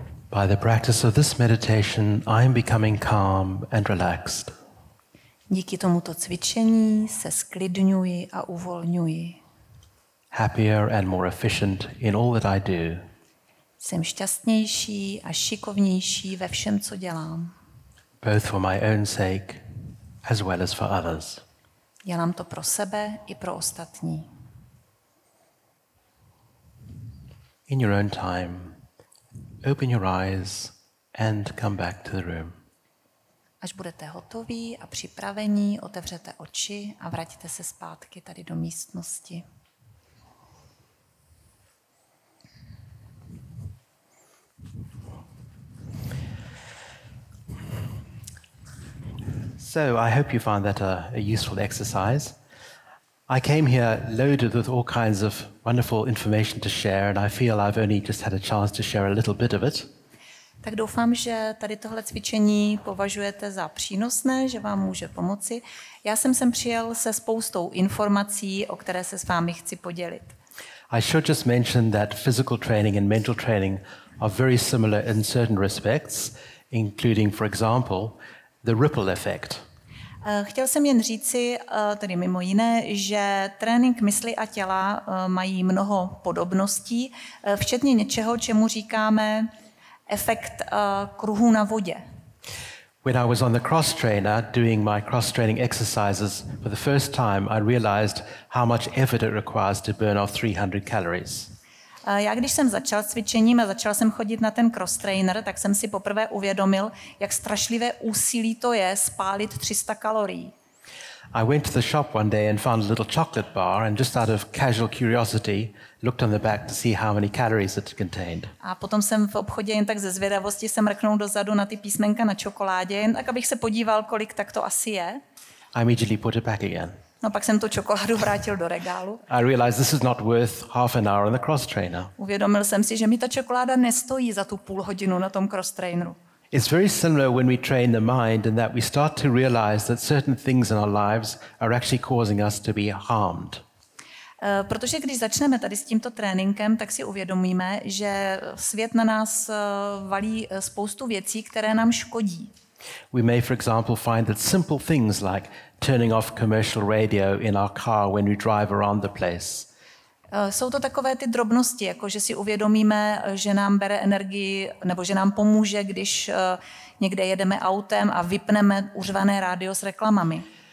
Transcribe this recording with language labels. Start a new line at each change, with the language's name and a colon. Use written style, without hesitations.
English: By the practice of this meditation, I am becoming calm and relaxed.
Czech: Díky tomuto cvičení se sklidňuji a uvolňuji.
English: Happier and more efficient in all that I do.
Czech: Jsem šťastnější a šikovnější ve všem, co dělám.
English: Both for my own sake, as well as for others.
Czech: Dělám to pro sebe i pro ostatní.
English: In your own time, open your eyes and come back to the room.
Czech: Až budete hotoví a připravení, otevřete oči a vraťte se zpátky tady do místnosti.
English: So, I hope you found that a useful exercise. I came here loaded with all kinds of wonderful information to share, and I feel I've only just had a chance to share a little bit of it.
Czech: Tak doufám, že tady tohle cvičení považujete za přínosné, že vám může pomoci. Já jsem sem přijel se spoustou informací, o které se s vámi chci podělit.
English: I should just mention that physical training and mental training are very similar in certain respects, including, for example, the ripple effect.
Czech: Chtěl jsem jen říci, tedy mimo jiné, že trénink mysli a těla mají mnoho podobností, včetně něčeho, čemu říkáme efekt kruhu na vodě.
English: When I was on the cross trainer doing my cross training exercises for the first time, I realized how much effort it requires to burn off 300 calories.
Czech: Já když jsem začal cvičením a začal jsem chodit na ten cross trainer, tak jsem si poprvé uvědomil, jak strašlivé úsilí to je spálit 300 kalorií.
English: I went to the shop one day and found a little chocolate bar and just out of casual curiosity looked on the back to see how many calories it contained.
Czech: A potom jsem v obchodě jen tak ze zvědavosti se mrknul dozadu na ty písmenka na čokoládě, jen tak abych se podíval, kolik tak to asi je.
English: I immediately put it back again.
Czech: No pak jsem tu čokoládu vrátil do regálu.
English: I realized this is not worth half an hour on the cross trainer.
Czech: Uvědomil jsem si, že mi ta čokoláda nestojí za tu půl hodinu na tom cross traineru.
English: It's very similar when we train the mind and that we start to realize that certain things in our lives are actually causing us to be harmed.
Czech: Protože když začneme tady s tímto tréninkem, tak si uvědomíme, že svět na nás valí spoustu věcí, které nám škodí.
English: We may, for example, find that simple things like turning off commercial radio in our car when we drive around the place.
Czech: Jsou to takové ty drobnosti, jako že si uvědomíme, že nám bere energii, nebo že nám pomůže, když někde jedeme autem a vypneme uřvané rádio s reklamami.